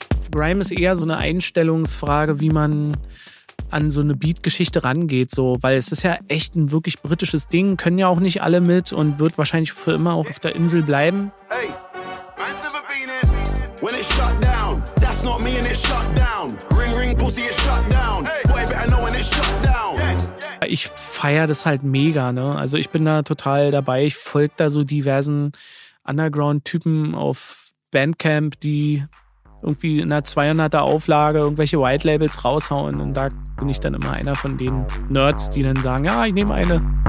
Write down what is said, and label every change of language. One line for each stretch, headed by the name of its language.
German: Grime ist eher so eine Einstellungsfrage, wie man an so eine Beat-Geschichte rangeht, so, weil es ist ja echt ein wirklich britisches Ding, können ja auch nicht alle mit und wird wahrscheinlich für immer auch auf der Insel bleiben.
English: Hey, mine's never been it. When it shut down, that's not me and it shut down. Ring, ring, pussy, it shut down. Boy, better know when it shut down.
German: Yeah, yeah. Ich feiere das halt mega, ne? Also ich bin da total dabei. Ich folge da so diversen Underground-Typen auf Bandcamp, die irgendwie in einer 200er Auflage irgendwelche White Labels raushauen. Und da bin ich dann immer einer von den Nerds, die dann sagen, ja, ich nehme eine.